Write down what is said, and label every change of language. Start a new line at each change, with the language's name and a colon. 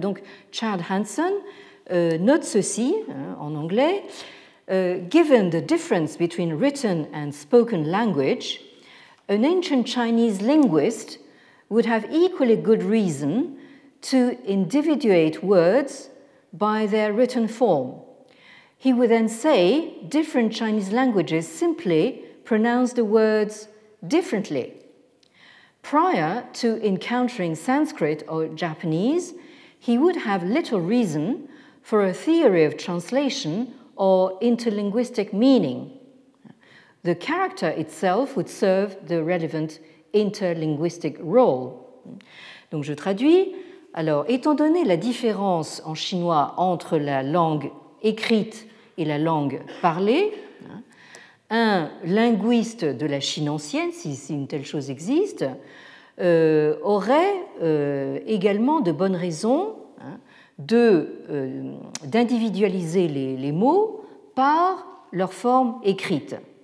French: Donc Chad Hansen note ceci en anglais.
English: Given the difference between written and spoken language, an ancient Chinese linguist would have equally good reason to individuate words by their written form. He would then say different Chinese languages simply pronounce the words differently. Prior to encountering Sanskrit or Japanese, he would have little reason for a theory of translation or interlinguistic meaning. The character itself would serve the relevant interlinguistic role.
French: Donc je traduis. Alors, étant donné la différence en chinois entre la langue écrite et la langue parlée, un linguiste de la Chine ancienne, si une telle chose existe, aurait également de bonnes raisons d'individualiser les mots par leur forme écrite.